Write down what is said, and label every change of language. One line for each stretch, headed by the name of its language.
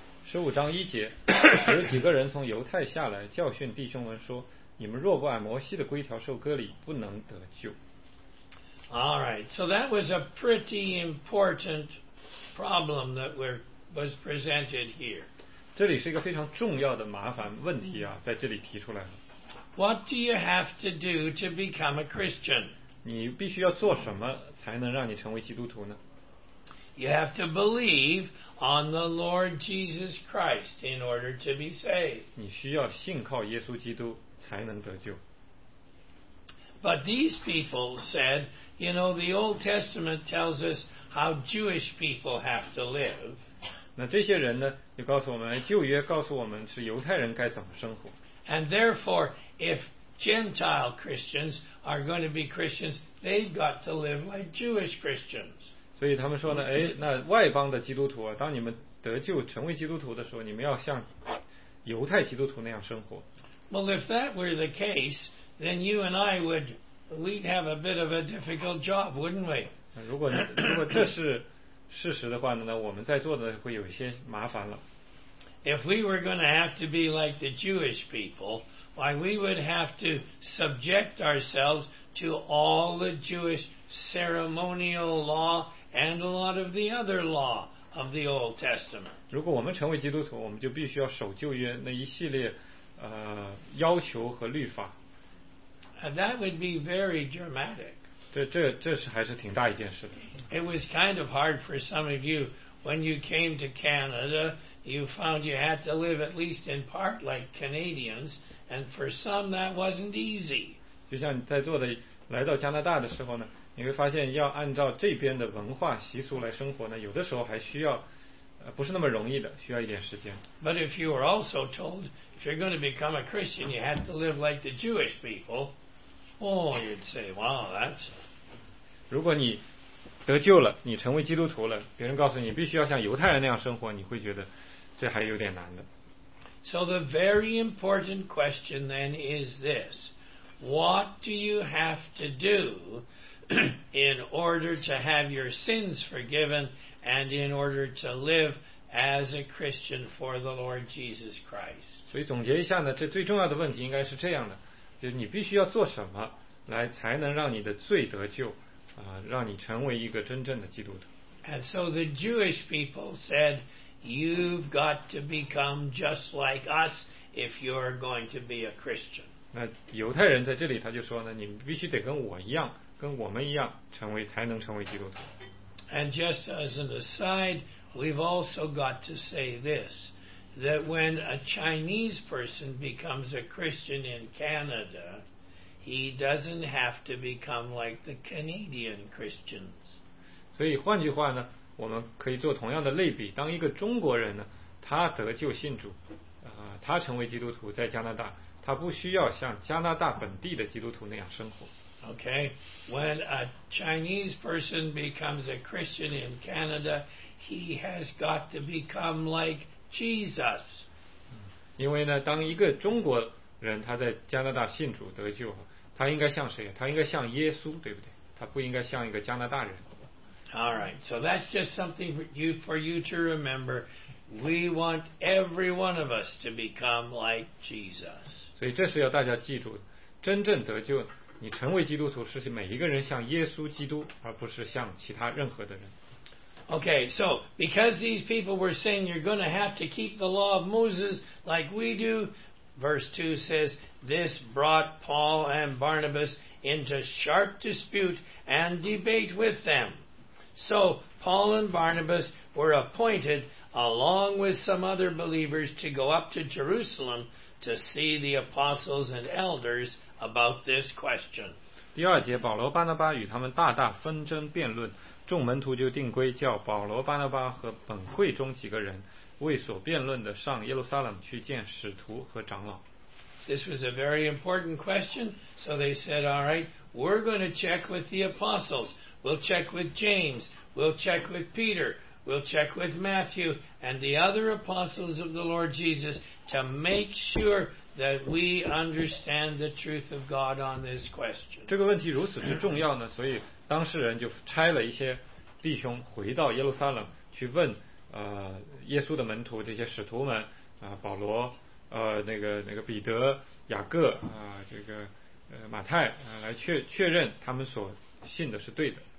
Chinese: 十五章一节，有几个人从犹太下来教训弟兄们说，你们若不按摩西的规条受割礼，不能得救。
English: All right, so that was a pretty important problem that was presented here.
Chinese: 这里是一个非常重要的麻烦问题啊，在这里提出来了。
English: What do you have to do to become a Christian?
Chinese: 你必须要做什么才能让你成为基督徒呢？
English: You have to believe on the Lord Jesus Christ in order to be saved.
Chinese: 你需要信靠耶稣基督才能得救。
English: But these people said, you know, the Old Testament tells us how Jewish people have to live.
Chinese: 那这些人呢，也告诉我们，旧约告诉我们是犹太人该怎么生活。
English: And therefore, if Gentile Christians are going to be Christians, they've got to live like Jewish Christians.
Chinese: 所以他们说呢，哎，那外邦的基督徒啊，当你们得救成为基督徒的时候，你们要像犹太基督徒那样生活。
English: Well, if that were the case, then you and I we'd have a bit of a difficult job, wouldn't we?
Chinese: 如果这是事实的话呢，我们在座的会有一些麻烦了。
English: If we were going to have to be like the Jewish people, why we would have to subject ourselves to all the Jewish ceremonial law and a lot of the other law of the Old Testament.
Chinese: 如果我们成为基督徒，我们就必须要守旧约那一系列要求和律法。
English: And that would be very dramatic.
Chinese: 这是还是挺大一件事的。
English: It was kind of hard for some of you when you came to Canada. You found you had to live at least in part like Canadians, and for some that wasn't easy.
Chinese: 就像你在座的来到加拿大的时候呢，你会发现要按照这边的文化习俗来生活呢，有的时候还需要，不是那么容易的，需要一点时间。
English: But if you were also told if you're going to become a Christian, you had to live like the Jewish people, oh, you'd say, wow, that's.
Chinese: 如果你得救了，你成为基督徒了，别人告诉你必须要像犹太人那样生活，你会觉得。这还有点难的。
English: So the very important question then is this. What do you have to do in order to have your sins forgiven and in order to live as a Christian for the Lord Jesus Christ?
Chinese: 所以总结一下呢，这最重要的问题应该是这样的，就是你必须要做什么来才能让你的罪得救，让你成为一个真正的基督徒。
English: And so the Jewish people said,You've got to become just like us if you're going to be a Christian.
Chinese: 那犹太人在这里他就说呢，你必须得跟我一样，跟我们一样，才能成为基督徒。
English: And just as an aside, we've also got to say this, that when a Chinese person becomes a Christian in Canada, he doesn't have to become like the Canadian Christians.
Chinese: 所以换句话呢，我们可以做同样的类比，当一个中国人呢，他得救信主，他成为基督徒在加拿大，他不需要像加拿大本地的基督徒那样生活。
English: Okay, when a Chinese person becomes a Christian in Canada, he has got to become like Jesus.
Chinese: 因为呢，当一个中国人他在加拿大信主得救，他应该像谁？他应该像耶稣，对不对？他不应该像一个加拿大人。
English: All right, so that's just something for you to remember. We want every one of us to become like Jesus.
Chinese: 所以这是要大家记住，真正得救，你成为基督徒是每一个人像耶稣基督，而不是像其他任何的人。
English: Okay, so because these people were saying you're going to have to keep the law of Moses like we do, verse 2 says, this brought Paul and Barnabas into sharp dispute and debate with them. So Paul and Barnabas were appointed along with some other believers to go up to Jerusalem to see the apostles and elders about this question.
Chinese: 第二节，保罗、巴拿巴与他们大大纷争辩论，众门徒就定规叫保罗、巴拿巴和本会中几个人为所辩论的上耶路撒冷去见使徒和长老。
English: This was a very important question, so they said, "All right, we're going to check with the apostles. We'll check with James. We'll check with Peter. We'll check with Matthew and the other apostles of the Lord Jesus to make sure that we understand the truth of God on this question."
Chinese: 这个问题如此之重要呢，所以当事人就差了一些弟兄回到耶路撒冷去问耶稣的门徒这些使徒们保罗。那个彼得、雅各这个马太来确认他们所信的是对的。